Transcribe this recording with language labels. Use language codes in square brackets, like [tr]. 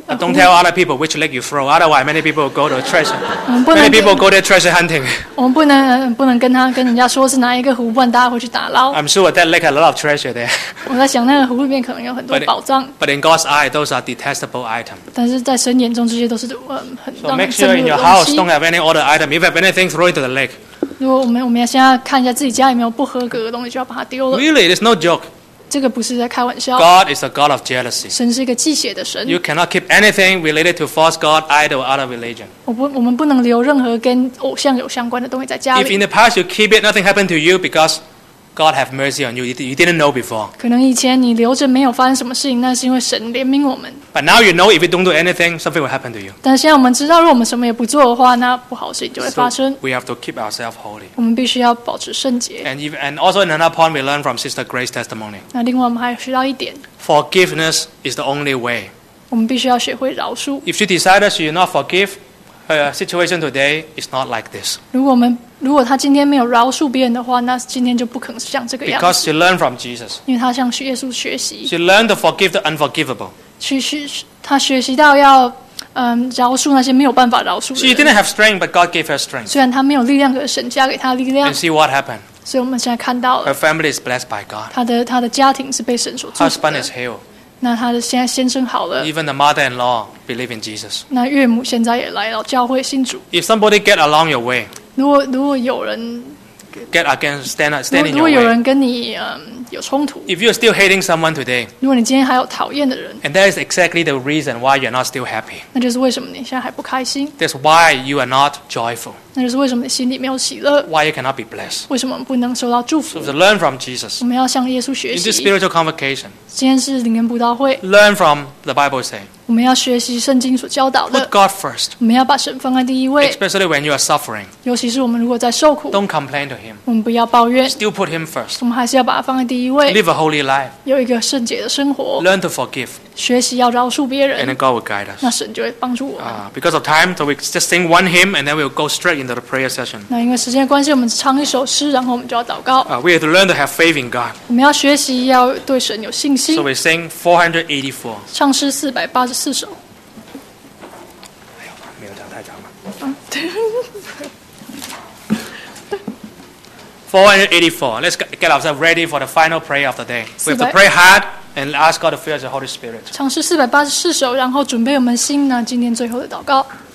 [en] Don't tell other people which lake you throw, otherwise many people go to treasure. Many people go there treasure hunting. [zh] 我们不能跟人家说是哪一个湖，不然大家会去打捞。 [en] I'm sure that lake has a lot of treasure there. [zh] 我在想那个湖里面可能有很多宝藏。 [en] But in God's eye, those are detestable items. [zh] 但是在神眼中，这些都是很让人憎恶的东西。 [en] So make sure in your house don't have any other item. If you have anything, throw it to the lake. [zh] 如果我们要先要看一下自己家有没有不合格的东西，就要把它丢了。 [en] Really, it's no joke. [zh] 这个不是在开玩笑。 [en] God is a God of jealousy. [zh] 神是一个忌邪的神。 [en] You cannot keep anything related to false god, idol, other religion. [zh] 我们不能留任何跟偶像有相关的东西在家里。 [en] If in the past you keep it, nothing happened to you because God have mercy on you. You didn't know before. [zh] 可能以前你留着没有发生什么事情，那是因为神怜悯我们。 [en] But now you know if you don't do anything, something will happen to you. [zh] 但现在我们知道，如果我们什么也不做的话，那不好事情就会发生。 [en] So we have to keep ourselves holy. [zh] 我们必须要保持圣洁。 [en] And also in another point, we learn from Sister Grace's testimony. [zh] 那另外我们还学到一点。 [en] Forgiveness is the only way. [zh] 我们必须要学会饶恕。 [en] If she decides she will not forgive, her situation today is not like this. [zh] 如果他今天没有饶恕别人的话，那今天就不可能像这个样子。 [en] Because she learned from Jesus. [zh] 因为他向耶稣学习。 [en] She learned to forgive the unforgivable. [zh] 他学习到要饶恕那些没有办法饶恕的人。 [en] She didn't have strength, but God gave her strength. [zh] 虽然他没有力量，可是神加给他力量。 [en] And see what happened. [zh] 所以我们现在看到了。 [en] Her family is blessed by God. [zh] 他的家庭是被神所祝福的。 [en] Husband is healed. [zh] 那他的现在先生好了。 [en] Even the mother-in-law believe in Jesus. [zh] 那岳母现在也来到教会信主。 [en] If somebody get along your way, [zh] 如果有人 [en] get against stand in your way, [zh] 如果有人跟你有冲突。 [en] If you're still hating someone today, [zh] 如果你今天还有讨厌的人。 [en] And that is exactly the reason why you're not still happy. [zh] 那就是为什么你现在还不开心。 [en] That's why you are not joyful. [zh] 那就是为什么你心里没有喜乐。 [en] Why you cannot be blessed? [zh] 为什么不能受到祝福 [en] ？So learn from Jesus. [zh] 我们要向耶稣学习。 [en] In this spiritual convocation. [zh] 今天是灵恩布道会。 [en] Learn from the Bible say. [zh] 我们要学习圣经所教导的。 [en] Put God first. [zh] 我们要把神放在第一位。 [en] Especially when you are suffering. [zh] 尤其是我们如果在受苦。 [en] Don't complain to him. [zh] 我们不要抱怨。 [en] Still put him first. [zh] 我们还是要把他放在第一位。 [en] Live a holy life. [zh] 有一个圣洁的生活。 [en] Learn to forgive. [zh] 学习要饶恕别人。 [en] And then God will guide us. [zh] 那神就会帮助我们。 [en] Because of time, so we just sing one hymn, and then we'll go straight into the prayer session. [zh] 那因为时间的关系，我们唱一首诗，然后我们就要祷告。 [en] We have to learn to have faith in God. [zh] 我们要学习要对神有信心。 [en] So we sing 484. [zh] 唱诗四百八十四首。 [en] 484. Let's get ourselves ready for the final prayer of the day. We have to pray hard and ask God to fill us with the Holy Spirit. [zh] 唱诗四百八十四首，然后准备我们心呢，今天最后的祷告。